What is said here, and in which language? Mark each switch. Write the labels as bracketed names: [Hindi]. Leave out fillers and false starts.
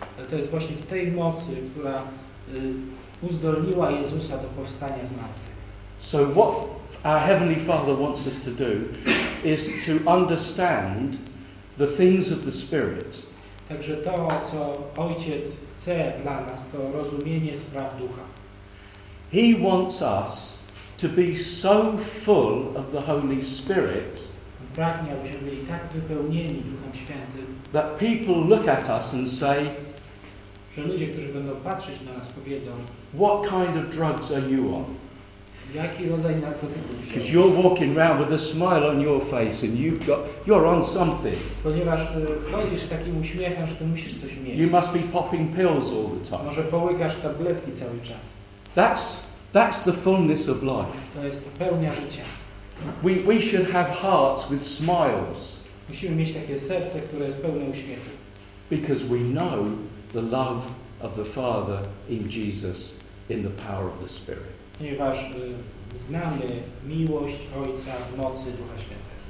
[Polish] To jest właśnie w tej mocy, która uzdolniła Jezusa do powstania z martwych. [English] So what our Heavenly Father wants us to do is to understand the things of the Spirit. [Polish] Także to, co Ojciec chce dla nas, to rozumienie spraw Ducha. [English] He wants us to be so full of the Holy Spirit. [Polish] Pragnie, abyśmy byli tak wypełnieni Duchem Świętym, [English] that people look at us and say, [Polish] że ludzie, którzy będą patrzeć na nas, powiedzą, [English] what kind of drugs are you on? [Polish] Jaki rodzaj narkotyków? [English] Because you're walking around with a smile on your face and you're on something. [Polish] Ponieważ chodzisz z takim uśmiechem, że ty musisz coś mieć. [English] You must be popping pills all the time. [Polish] Może połykasz tabletki cały czas. [English] That's the fullness of life. [Polish] To jest to pełnia życia. [English] We should have hearts with smiles. [Polish] Musimy mieć takie serce, które jest pełne uśmiechu. [English] Because we know the love of the Father in Jesus in the power of the Spirit. [Polish] Ponieważ znamy miłość Ojca w mocy Ducha Świętego.